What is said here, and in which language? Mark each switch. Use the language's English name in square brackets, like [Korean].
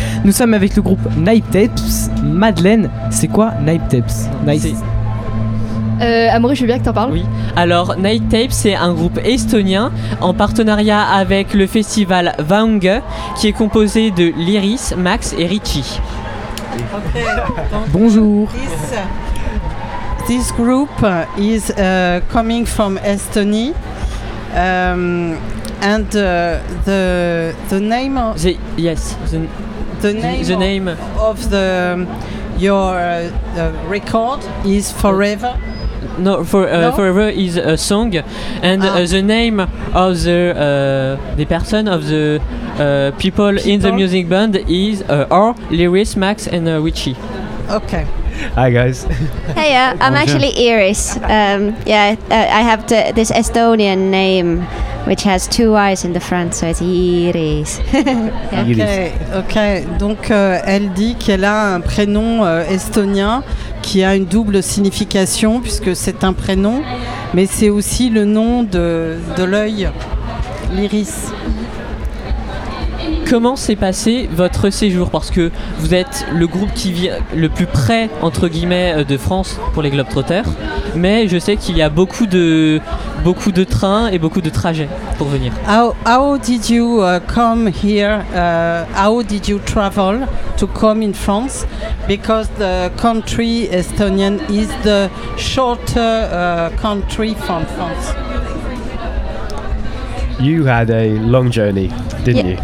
[French] Nous sommes avec le groupe Knife Tapes. Madeleine, c'est quoi Knife Tapes? Amaury, je veux bien que t'en parles. Oui. Alors, Knife Tapes, c'est un groupe estonien en partenariat avec le festival Vang qui est composé de Liris, Max et Richie. Okay. Bonjour. [English] This group is coming from Estonia, and the name of the, yes the name of the your the record is Forever. No, for no? Forever is a song, and the name of the person of the people in the music band is are Liris, Max, and Richie. Okay. Hi guys. Hey, I'm actually Iris. I have this Estonian name, which has two I's in the front, so it's Iris. Okay. [French] Donc elle dit qu'elle a un prénom estonien qui a une double signification puisque c'est un prénom, mais c'est aussi le nom de l'œil, l'iris. Comment s'est passé votre séjour? Parce que vous êtes le groupe qui vient le plus près, entre guillemets, de France pour les Globetrotters. Mais je sais qu'il y a beaucoup de trains et beaucoup de trajets pour venir. [English] How did you come here? How did you travel to come in France? Because the country Estonian is the shorter country from France. You had a long journey, didn't you?